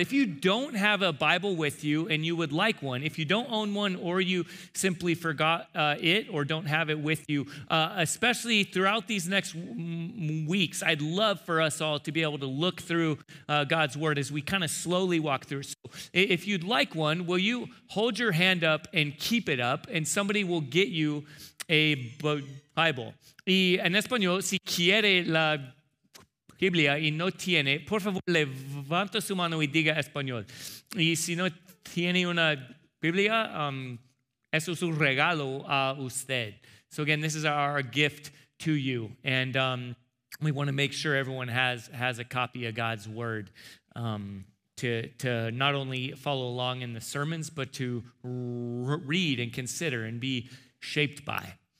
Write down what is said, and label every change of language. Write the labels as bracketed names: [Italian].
[English] If you don't have a Bible with you and you would like one, if you don't own one or you simply forgot it or don't have it with you, especially throughout these next weeks, I'd love for us all to be able to look through God's Word as we kind of slowly walk through. So if you'd like one, will you hold your hand up and keep it up, and somebody will get you a Bible. [Spanish] Y en español, si quiere la Biblia y no tiene, por favor, levanta su mano y diga español. Y si no tiene una Biblia, eso es un regalo a usted. [English] So again, this is our gift to you. And we want to make sure everyone has a copy of God's Word to not only follow along in the sermons, but to read and consider and be shaped by.